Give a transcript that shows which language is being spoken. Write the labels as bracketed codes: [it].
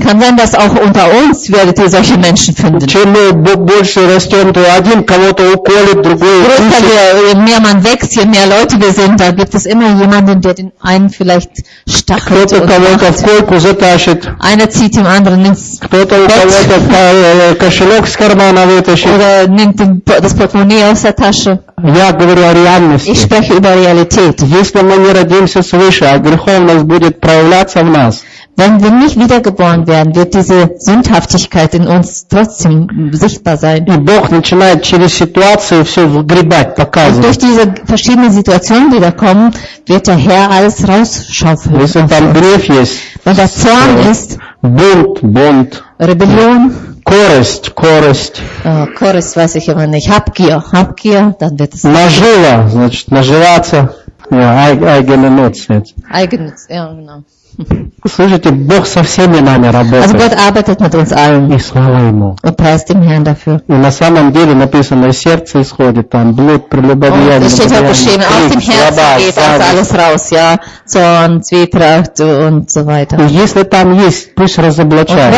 [de] Kann sein, dass auch unter uns werdet ihr solche Menschen finden. Je mehr man wächst, je mehr Leute wir sind, da gibt es immer jemanden, der den einen vielleicht stachelt und macht. Einer zieht dem anderen ins Bett. Oder nimmt das Portemonnaie aus der Tasche. [ru] Я говорю о реальности. [de] Ich spreche über Realität. [ru] Если мы не родимся свыше, а греховность будет проявляться в нас. [de] Wenn wir nicht wiedergeboren werden, wird diese Sündhaftigkeit in uns trotzdem sichtbar sein. [ru] И Бог начинает через ситуацию все выгребать, показывать. [de] Und durch diese verschiedenen Situationen, die da kommen, wird der Herr alles rausschaufeln. [ru] Если там гнев есть. [de] Wenn der Zorn ist. [ru] Бунт. [de] Rebellion. [ru] Корость. [de] Корость, weiß ich immer nicht. Habgier, dann wird es. [ru] Нажива, значит, наживаться. [de] Eigennutz. Eigennutz, ja, genau. [ru] Слушайте, Бог со всеми нами работает. [de] Also Gott arbeitet mit uns allen. [ru] И слава ему. [de] Und preist dem Herrn dafür. [ru] И на самом деле написано, из сердца исходит там блуд, прелюбодеяние. [de] Das steht auch geschrieben, aus dem Herzen geht also alles raus, ja. Zorn, Zwietracht und so weiter. [ru] Если там есть, пусть разоблачается.